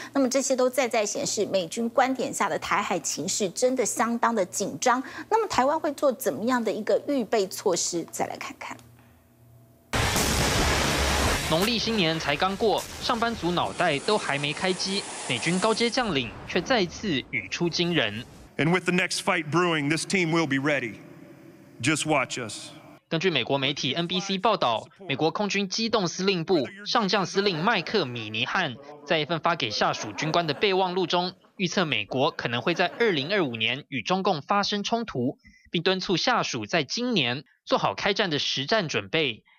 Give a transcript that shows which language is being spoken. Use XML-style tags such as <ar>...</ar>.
<zh>那么这些都再显示美军观点下的台海情势真的相当的紧张。那么台湾会做怎么样的一个预备措施，再来看看。农历新年才刚过，上班族脑袋都还没开机，美军高阶将领却再次语出惊人。</zh> <en>And with the next fight brewing, this team will be ready. Just watch us.</en> <zh>根据美国媒体 NBC 报道，美国空军机动司令部上将司令麦克米尼汉在一份发给下属军官的备忘录中，预测美国可能会在2025年与中共发生冲突，并敦促下属在今年做好开战的实战准备。</zh>